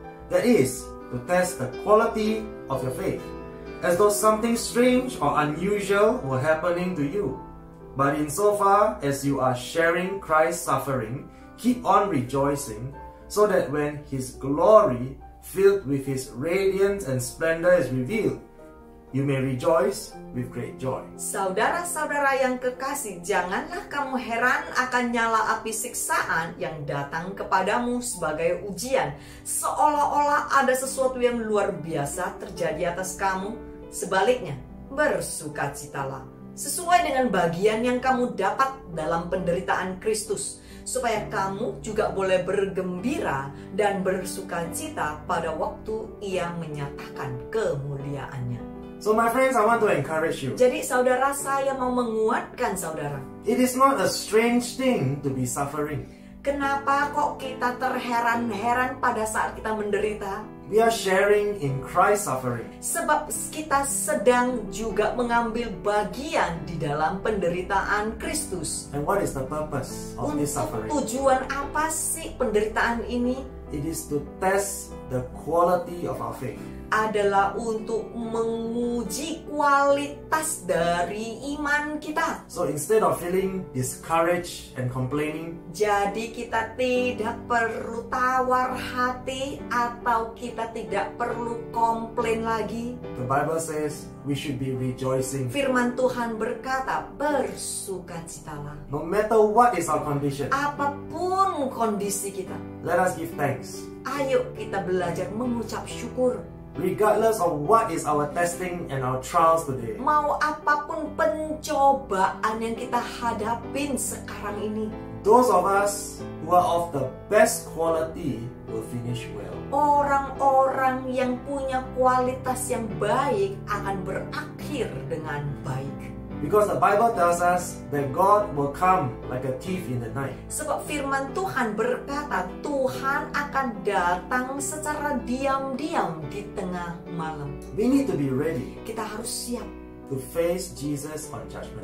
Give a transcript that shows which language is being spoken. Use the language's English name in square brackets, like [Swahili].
[English] That is, to test the quality of your faith, as though something strange or unusual were happening to you. But insofar as you are sharing Christ's suffering, keep on rejoicing, so that when His glory, filled with His radiance and splendor, is revealed, you may rejoice with great joy. [Indonesian] Saudara-saudara yang kekasih, janganlah kamu heran akan nyala api siksaan yang datang kepadamu sebagai ujian, seolah-olah ada sesuatu yang luar biasa terjadi atas kamu. Sebaliknya, bersukacitalah sesuai dengan bagian yang kamu dapat dalam penderitaan Kristus, supaya kamu juga boleh bergembira dan bersukacita pada waktu Ia menyatakan kemuliaannya. [English] So my friends, I want to encourage you. [Indonesian] Jadi saudara, saya mau menguatkan saudara. [English] It is not a strange thing to be suffering. [Indonesian] Kenapa kok kita terheran-heran pada saat kita menderita? [English] We are sharing in Christ's suffering. [Indonesian] Sebab kita sedang juga mengambil bagian di dalam penderitaan Kristus. [English] And what is the purpose of this suffering? [Indonesian] Tujuan apa sih penderitaan ini? [English] It is to test the quality of our faith. [Indonesian] Adalah untuk menguji kualitas dari iman kita. [English] So instead of feeling discouraged and complaining, [Indonesian] jadi kita tidak perlu tawar hati atau kita tidak perlu komplain lagi. [English] The Bible says we should be rejoicing. [Indonesian] Firman Tuhan berkata bersukacitalah. [English] No matter what is our condition, [Indonesian] apapun kondisi kita, [English] let us give thanks. [Indonesian] Ayo kita belajar mengucap syukur. [English] Regardless of what is our testing and our trials today. [Indonesian] Mau apapun pencobaan yang kita hadapin sekarang ini. [English] Those of us who are of the best quality will finish well. [Indonesian] Orang-orang yang punya kualitas yang baik akan berakhir dengan baik. [English] Because the Bible tells us that God will come like a thief in the night. [Indonesian] Sebab firman Tuhan berkata Tuhan akan datang secara diam-diam di tengah malam. [English] We need to be ready. [Indonesian] Kita harus siap [English] to face Jesus on judgment.